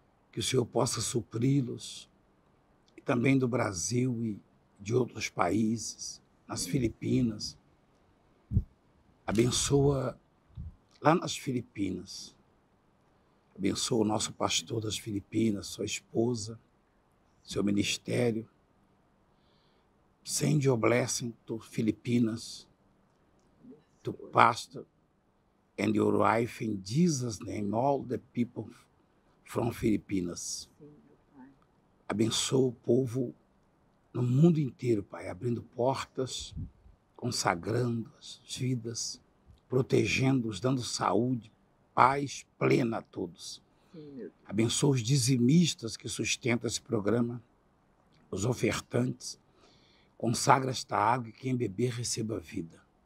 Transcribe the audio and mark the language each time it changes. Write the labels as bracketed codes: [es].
[pt] Que o Senhor possa supri-los, e também do Brasil e de outros países, nas Filipinas. Abençoa lá nas Filipinas. Abençoa o nosso pastor das Filipinas, sua esposa, seu ministério. [en] Send your blessing to Filipinas. To pastor and your wife in Jesus' name, all the people from Filipinas. [pt] Abençoa o povo no mundo inteiro, Pai, abrindo portas, consagrando as vidas, protegendo-os, dando saúde, paz plena a todos. Abençoa os dizimistas que sustentam esse programa, os ofertantes, consagra esta água e quem beber receba vida.